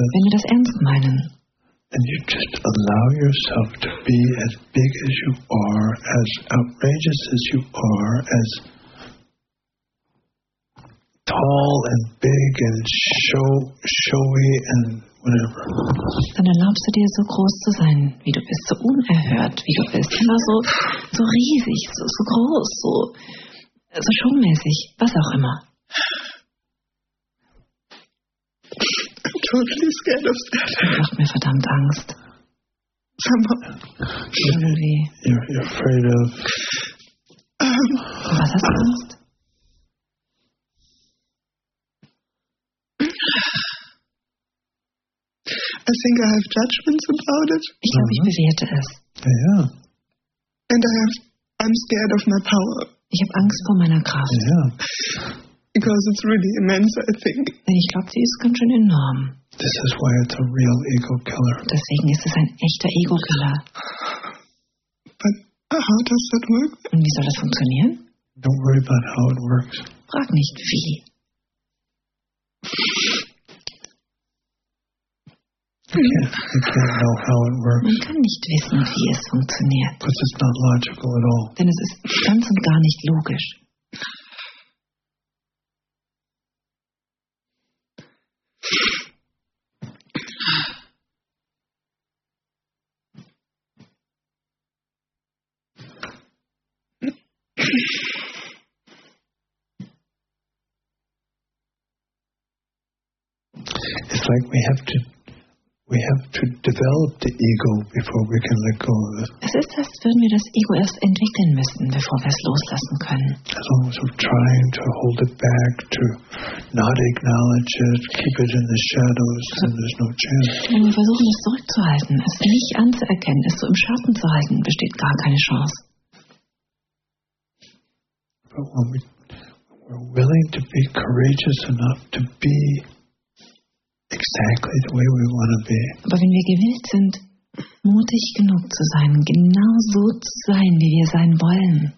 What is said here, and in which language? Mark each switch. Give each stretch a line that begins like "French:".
German: wenn wir das ernst meinen.
English: And you just allow yourself to be as big as you are, as outrageous as you are, as tall and big and showy and whatever.
German: Dann erlaubst du dir, so groß zu sein, wie du bist, so unerhört, wie du bist, immer so riesig, so groß, so showmäßig, was auch immer.
English: Totally scared of that.
German: Das macht mir verdammt Angst.
English: You're afraid of.
German: Was hast du Angst?
English: I think I have judgments about it.
German: Ich glaube, ich bewerte es. Yeah.
English: And I'm scared of my power.
German: Ich habe Angst vor meiner Kraft. Yeah.
English: Because it's really immense, I think.
German: Denn ich glaube, sie ist ganz schön enorm.
English: This is why it's a real ego killer.
German: Deswegen ist es ein echter Ego Killer.
English: But how does that work?
German: Und wie soll das funktionieren?
English: Don't worry about how it works.
German: Frag nicht wie.
English: You can't know how it works.
German: Man kann nicht wissen, wie es funktioniert.
English: Because it's not logical at all.
German: Denn es ist ganz und gar nicht logisch.
English: It's like we have to develop the ego before we can let go of it.
German: Es ist, als würden wir das Ego erst entwickeln müssen, bevor wir es loslassen können.
English: As long as we're trying to hold it back, to not acknowledge it, keep it in the shadows, then there's no chance.
German: Wenn wir versuchen, es zurückzuhalten, es nicht anzuerkennen, es so im Schatten zu halten, besteht gar keine Chance.
English: But when we're willing to be courageous enough to be exactly the way we want to be.
German: Aber wenn wir gewillt sind, mutig genug zu sein, genau so zu sein, wie wir sein wollen.